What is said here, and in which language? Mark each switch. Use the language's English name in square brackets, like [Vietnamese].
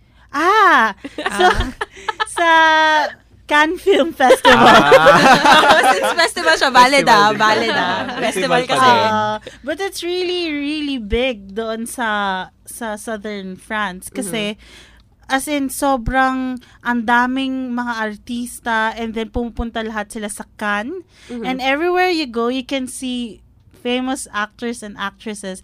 [Filipino] Ah! So, sa Cannes Film Festival. Since festival siya, valid ah. Valid ah. Festival kasi. [English] But it's really, really big [Filipino] doon sa [English] southern France. [Filipino] Kasi, mm-hmm. as in, sobrang ang daming mga artista, and then pumupunta lahat sila sa Cannes. Mm-hmm. [English] And everywhere you go, you can see famous actors and actresses.